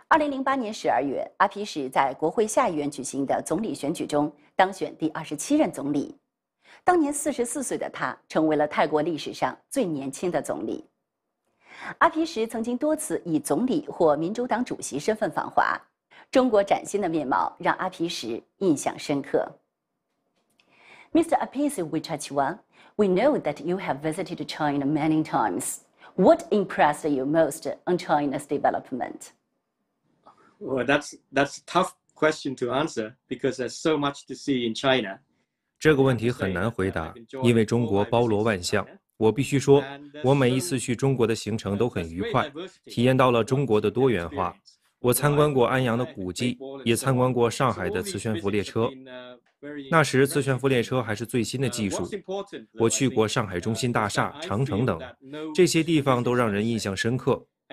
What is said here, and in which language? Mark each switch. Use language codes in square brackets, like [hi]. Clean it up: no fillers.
[zh] 2008年12月，阿皮什在国会下议院举行的总理选举中当选第27任总理。当年44岁的他成为了泰国历史上最年轻的总理。阿皮什曾经多次以总理或民主党主席身份访华。中国崭新的面貌让阿皮什印象深刻。 [en] Mr. Apisi Wichachiwa, we know that you have visited China many times. What impressed you most on China's development? Well, that's a tough question to answer because there's so much to see in China. [zh] 这个问题很难回答，因为中国包罗万象。我必须说，我每一次去中国的行程都很愉快，体验到了中国的多元化。我参观过安阳的古迹，也参观过上海的磁悬浮列车。那时磁悬浮列车还是最新的技术。我去过上海中心大厦、长城等，这些地方都让人印象深刻。